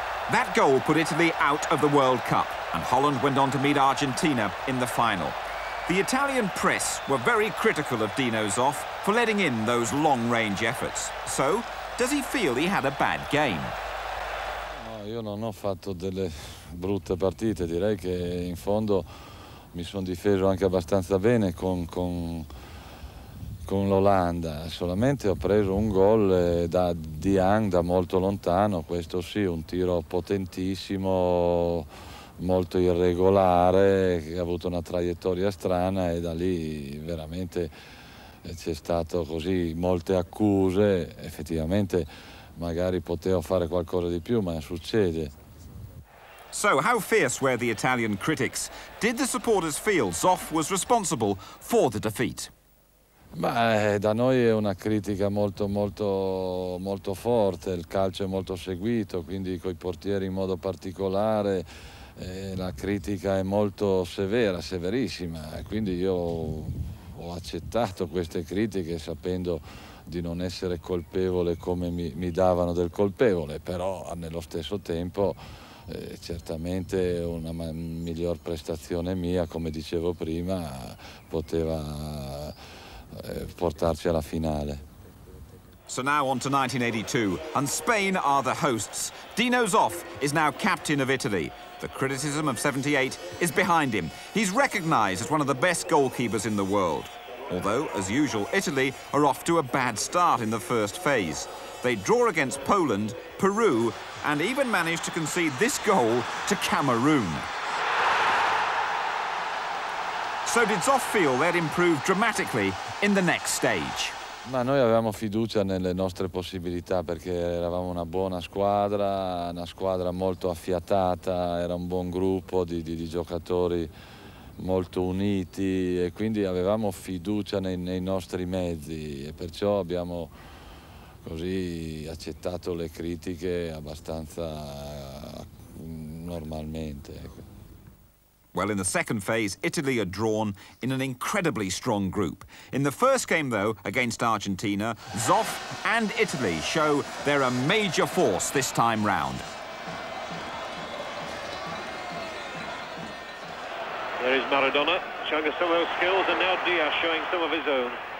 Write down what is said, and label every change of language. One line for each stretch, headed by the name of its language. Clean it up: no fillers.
English: That goal put Italy out of the World Cup, and Holland went on to meet Argentina in the final. The Italian press were very critical of Dino Zoff for letting in those long-range efforts. So, does he feel he had a bad game?
Italian: No, io non ho fatto delle brutte partite. Direi che in fondo mi sono difeso anche abbastanza bene con l'Olanda, solamente ho preso un gol da Dian da molto lontano, questo sì, un tiro potentissimo, molto irregolare, che ha avuto una traiettoria strana e da lì veramente c'è stato così molte accuse, effettivamente magari potevo fare qualcosa di più, ma succede. So, how fierce were the Italian critics? Did the supporters feel Zoff was responsible for the defeat? Ma da noi è una critica molto, molto, molto forte, il calcio è molto seguito, quindi coi portieri in modo particolare la critica è molto severa, severissima, quindi io ho accettato queste critiche sapendo di non essere colpevole come mi davano del colpevole, però nello stesso tempo certamente una miglior prestazione mia, come dicevo prima, poteva portarci alla finale.
English: So now on to 1982, and Spain are the hosts. Dino Zoff is now captain of Italy. The criticism of 78 is behind him. He's recognised as one of the best goalkeepers in the world. Although, as usual, Italy are off to a bad start in the first phase. They draw against Poland, Peru, and even manage to concede this goal to Cameroon. So did Zoff feel they'd improve dramatically in the next stage?
Italian: Ma noi avevamo fiducia nelle nostre possibilità perché eravamo una buona squadra, una squadra molto affiatata, era un buon gruppo di giocatori molto uniti e quindi avevamo fiducia nei nostri mezzi e perciò abbiamo così accettato le critiche abbastanza normalmente.
English: Well, in the second phase, Italy are drawn in an incredibly strong group. In the first game, though, against Argentina, Zoff and Italy show they're a major force this time round. There is Maradona showing us some of those skills, and now Diaz showing some of his own.